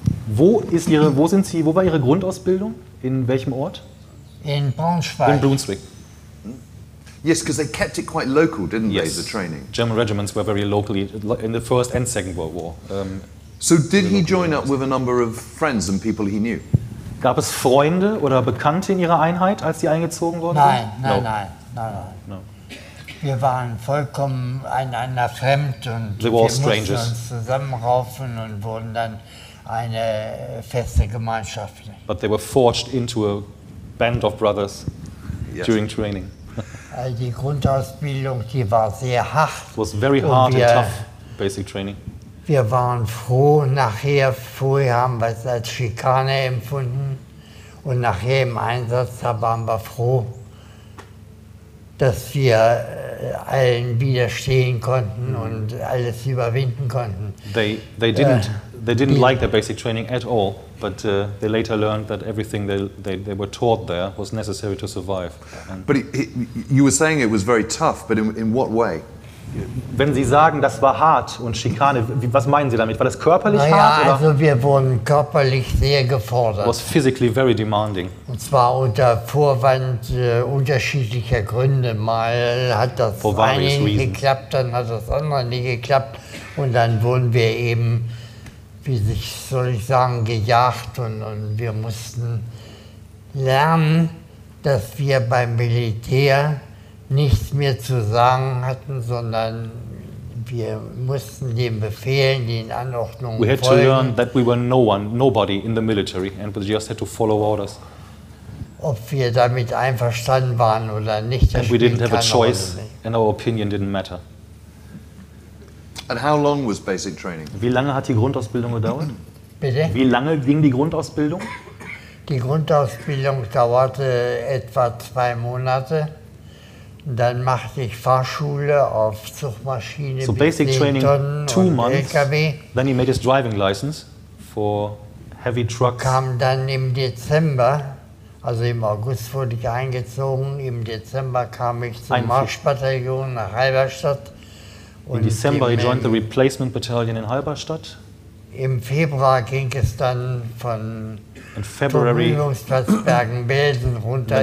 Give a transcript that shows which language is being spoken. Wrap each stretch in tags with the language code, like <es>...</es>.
<de>Wo war Ihre Grundausbildung? In welchem Ort? In Braunschweig.</de> <en>In Brunswick. Yes, because they kept it quite local, didn't yes. they, the training? German regiments were very locally in the First and Second World War. So did he join up with a number of friends and people he knew?</en> <de>Gab es Freunde oder Bekannte in Ihrer Einheit, als Sie eingezogen wurden? Nein. Wir waren vollkommen einander fremd und wir mussten uns zusammenraufen und wurden dann eine feste Gemeinschaft.</de> <en>But they were forged into a band of brothers yes. during training.</en> <de>Die Grundausbildung, die war sehr hart.</de> <en>It was very hard and tough basic training.</en> <de>Wir waren froh, vorher haben wir es als Schikane empfunden und nachher im Einsatz waren wir froh, dass wir allen widerstehen konnten und alles überwinden konnten.</de> <en>They didn't like their basic training at all, but they later learned that everything they were taught there was necessary to survive. And but you were saying it was very tough, but in what way?</en> <de>Wenn Sie sagen, das war hart und Schikane, was meinen Sie damit? War das körperlich naja, hart? Ja, also wir wurden körperlich sehr gefordert.</de> <en>Was physically very demanding.</en> <de>Und zwar unter Vorwand unterschiedlicher Gründe. Mal hat das eine geklappt, dann hat das andere nicht geklappt. Und dann wurden wir eben, gejagt. Und wir mussten lernen, dass wir beim Militär nichts mehr zu sagen hatten, sondern wir mussten den Befehlen, den Anordnungen folgen.</de> <en>We had to learn that we were nobody in the military and we just had to follow orders.</en> <de>Ob wir damit einverstanden waren oder nicht,</de> <en>and we didn't have a choice and our opinion didn't matter. And how long was basic training?</en> <de>Wie lange hat die Grundausbildung gedauert? Bitte? Wie lange ging die Grundausbildung? Die Grundausbildung dauerte etwa 2 Monate. Dann machte ich Fahrschule auf Zugmaschine</de> <en>so basic training,</en> <de>Tonnen LKW.</de> <en>Then he made his driving license for heavy trucks.</en> <de>Kam dann im Dezember, also im August wurde ich eingezogen. Im Dezember kam ich zum Marschbataillon nach Halberstadt. Und</de> <en>in December he joined the replacement battalion in Halberstadt.</en> <de>Im Februar ging es dann von Übungsplatz Bergen-Belsen runter</de>